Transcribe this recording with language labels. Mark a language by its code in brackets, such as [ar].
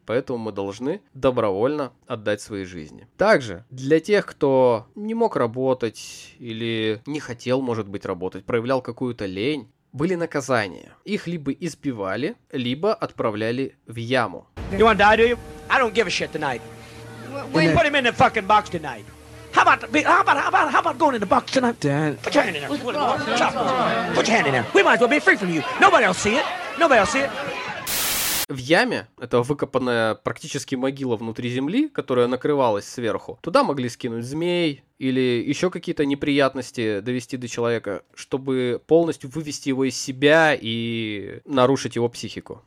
[ru] Поэтому мы должны добровольно отдать свои жизни. Также для тех, кто не мог работать или не хотел, может быть, работать, проявлял какую-то лень, были наказания. Их либо избивали, либо отправляли в яму. [en] You want to die, do you? I don't give a shit tonight. We put him in the fucking box tonight. How about going in the box tonight? Dan. Put your hand in there. Put your hand in there. We might as well be free from you. Nobody else see it. Nobody else see it. [ru] В яме, это выкопанная практически могила внутри земли, которая накрывалась сверху, туда могли скинуть змей или еще какие-то неприятности довести до человека, чтобы полностью вывести его из себя и нарушить его психику.